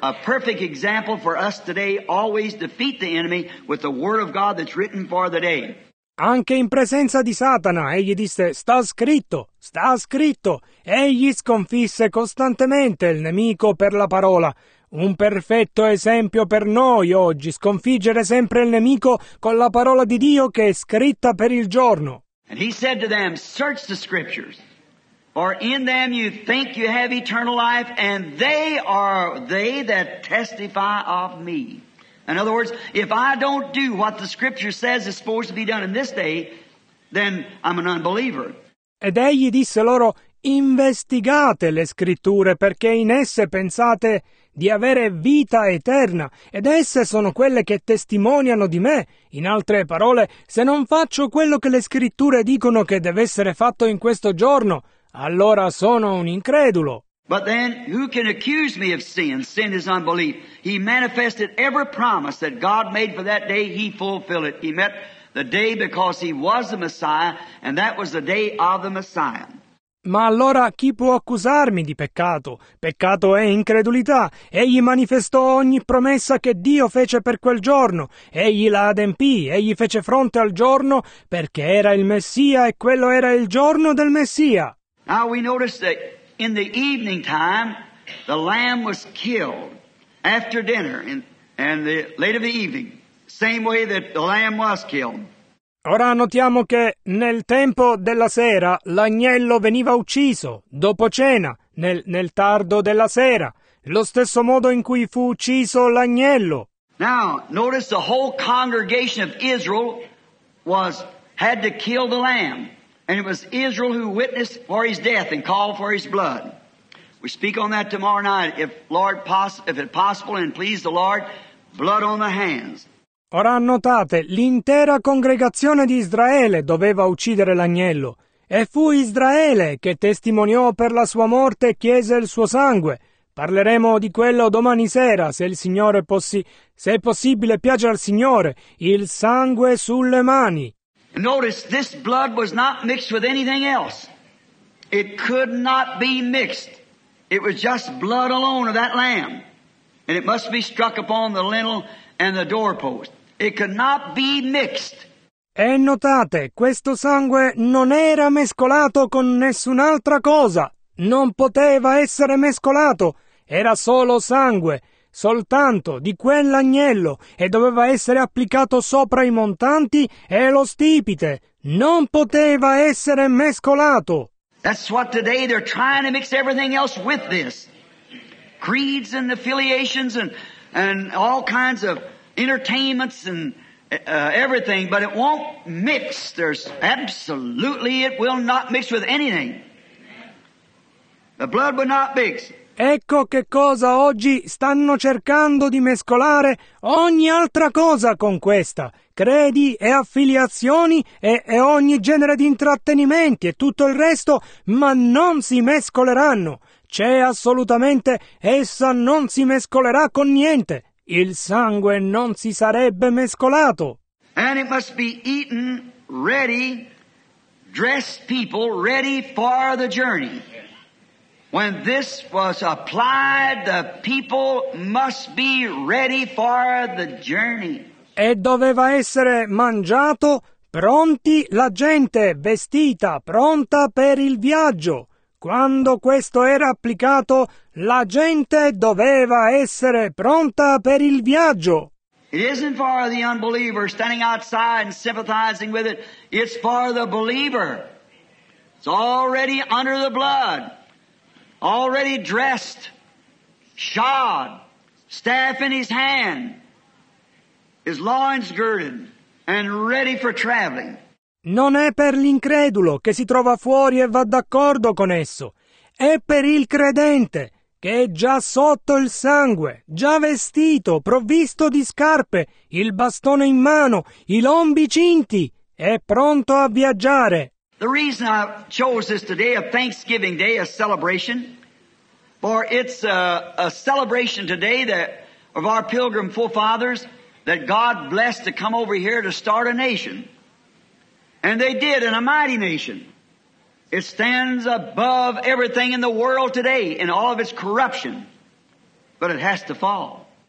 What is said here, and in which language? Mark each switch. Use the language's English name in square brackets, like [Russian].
[English] A perfect example for us today, always defeat the enemy with the word of God that's written for the day. [Italian] Anche in presenza di Satana, egli disse, sta scritto, egli sconfisse costantemente il nemico per la parola. Un perfetto esempio per noi oggi, sconfiggere sempre il nemico con la parola di Dio che è scritta per il giorno. [English] And he said to them, search the scriptures, for in them you think you have eternal life, and they are they that testify of me. In other words, if I don't do what the scripture says is supposed to be done in this day, then I'm an unbeliever. [Italian] Ed egli disse loro, investigate le scritture, perché in esse pensate di avere vita eterna, ed esse sono quelle che testimoniano di me. In altre parole, se non faccio quello che le scritture dicono che deve essere fatto in questo giorno, allora sono un incredulo. [English] But then, who can accuse me of sin? Sin is unbelief. He manifested every promise that God made for that day, he fulfilled it. He met the day because he was the Messiah, and that was the day of the Messiah. [Italian] Ma allora chi può accusarmi di peccato? Peccato è incredulità. Egli manifestò ogni promessa che Dio fece per quel giorno. Egli la adempì, egli fece fronte al giorno, perché era il Messia e quello era il giorno del Messia. [English] Now we notice that in the evening time, the lamb was killed after dinner, and the late of the evening, same way that the lamb was killed. [Italian] Ora notiamo che nel tempo della sera l'agnello veniva ucciso, dopo cena, nel tardo della sera, lo stesso modo in cui fu ucciso l'agnello. [English] Now, notice the whole congregation of Israel had to kill the lamb. And it was Israel who witnessed for his death and called for his blood. We speak on that tomorrow night, if it possible and please the Lord, blood on the hands. [Italian] Ora notate, l'intera congregazione di Israele doveva uccidere l'agnello. E fu Israele che testimoniò per la sua morte e chiese il suo sangue. Parleremo di quello domani sera, se è possibile, piace al Signore, il sangue sulle mani. [English] Notice, this blood was not mixed with anything else. It could not be mixed. It was just blood alone of that lamb. And it must be struck upon the lintel and the doorpost. It could not be mixed. [Italian] E notate, questo sangue non era mescolato con nessun'altra cosa. Non poteva essere mescolato. Era solo sangue. Soltanto di quell'agnello, e doveva essere applicato sopra i montanti e lo stipite. non poteva essere mescolato. [English] That's what today they're trying to mix everything else with this. Creeds and affiliations and all kinds of entertainments and everything, but it won't mix. There's absolutely, it will not mix with anything. The blood will not mix. [Italian] Ecco che cosa oggi stanno cercando di mescolare ogni altra cosa con questa. Credi e affiliazioni e ogni genere di intrattenimenti e tutto il resto, ma non si mescoleranno. C'è assolutamente, essa non si mescolerà con niente. Il sangue non si sarebbe mescolato. [English] And it must be eaten ready, dressed people ready for the journey. When this was applied, the people must be ready for the journey. [Italian] E doveva essere mangiato, pronti, la gente vestita, pronta per il viaggio. Quando questo era applicato, la gente doveva essere pronta per il viaggio. [English] It isn't for the unbeliever standing outside and sympathizing with it. It's for the believer. It's already under the blood. Already dressed, shod, staff in his hand, his loins girded, and ready for traveling. [Italian] Non è per l'incredulo che si trova fuori e va d'accordo con esso. È per il credente che è già sotto il sangue, già vestito, provvisto di scarpe, il bastone in mano, i lombi cinti, è pronto a viaggiare. [English] The reason I chose this today, a Thanksgiving Day, a celebration, for it's a celebration today that of our pilgrim forefathers that God blessed to come over here to start a nation. And they did, in a mighty nation. It stands above everything in the world today, in all of its corruption, but it has to fall.